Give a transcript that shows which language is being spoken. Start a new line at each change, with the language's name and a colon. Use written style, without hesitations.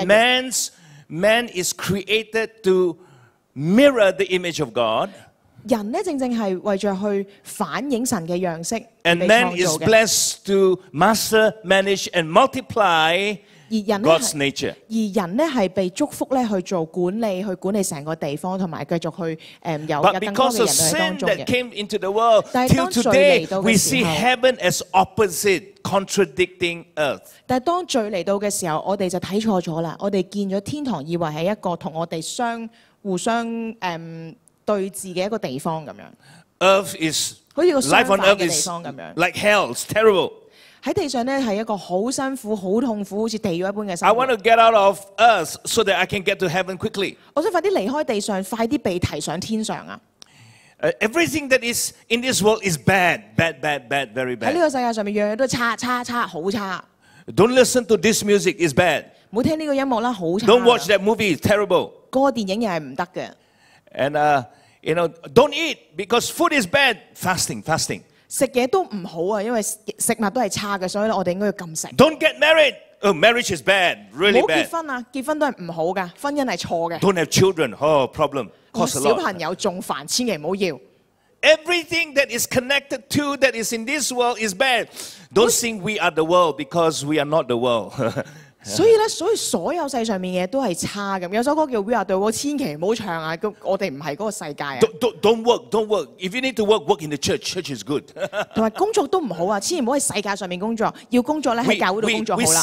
English: 樣。And man is created to mirror the image of God。
Cantonese: 人咧正正係為著去反映神嘅樣式。
English: And man is blessed to master, manage, and multiply God's nature。
Cantonese: 而人咧係被祝福咧去做管理，去管理成個地方，同埋繼續去有更多嘅人喺當中嘅。
English: Came into the world, till today, we see heaven as opposite. Contradicting earth，
Cantonese: 但当罪嚟到嘅时候，我哋就睇错咗啦。我哋见咗天堂，以为系一个同我哋互相对峙嘅一个地方咁样。
English: Earth is
Cantonese: 好似个相反嘅地方咁样。
English: Like hell, it's terrible。
Cantonese: 喺地上咧系一个好辛苦、好痛苦，好似地狱一般嘅生活。
English: I want to get out of earth so that I can get to heaven quickly。
Cantonese: 我想快啲离开地上，快啲被提上天上啊！
English: Everything that is in this world is bad, bad, bad, bad, very bad.
Cantonese: 喺呢个世界上面，样样都差差差，好差。
English: Don't listen to this music; it's bad.
Cantonese: 唔好听呢个音乐啦，好差。
English: Don't watch that movie; it's terrible.
Cantonese: 嗰个电影又系唔得嘅。
English: And you know, don't eat because food is bad. Fasting, fasting.
Cantonese: 食嘢都唔好啊，因为食物都系差嘅，所以咧我哋应该要禁食。
English: Don't get married. Oh, marriage is bad, really bad.
Cantonese: 唔好结婚啊，结婚都系唔好噶，婚姻系错嘅。
English: Don't have children, oh problem, cost a lot.
Cantonese: 小朋友仲烦，千祈唔好要。
English: Everything that is connected to that is in this world is bad. Don't think we are the world because we are not the world.
Cantonese: 所以咧，所以所有世上面嘢都系差咁。有首歌叫 We Are the World， 千祈唔好唱啊！我哋唔系嗰个世界啊。
English: Don't work. If you need to work, work in the church. Church is good.
Cantonese: 同埋工作都唔好啊！千祈唔好喺世界上面工作，要工作咧喺教会度工作好啦。